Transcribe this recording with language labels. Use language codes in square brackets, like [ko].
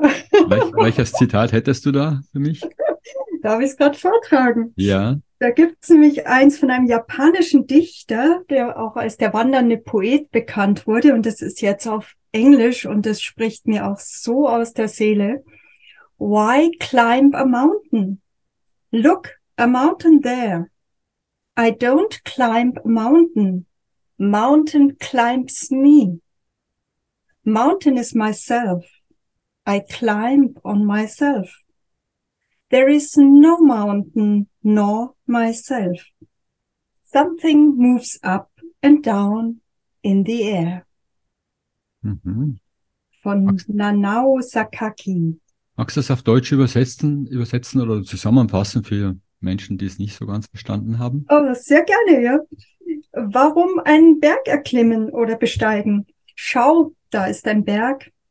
[de] Welches Zitat hättest du da für mich? Darf ich es gerade vortragen? Ja. Da gibt es nämlich eins von einem japanischen Dichter, der auch als der wandernde Poet bekannt wurde. Und das ist jetzt auf Englisch und das spricht mir auch so aus der Seele. [en] Why climb a mountain? Look, a mountain there. I don't climb a mountain. Mountain climbs me. Mountain is myself. I climb on myself. There is no mountain nor myself. Something moves up and down in the air. Mhm. [de] Von Nanao Sakaki. Magst du das auf Deutsch übersetzen oder zusammenfassen für Menschen, die es nicht so ganz verstanden haben? Oh, sehr gerne, ja. Warum einen Berg erklimmen oder besteigen? Schau, da ist ein Berg.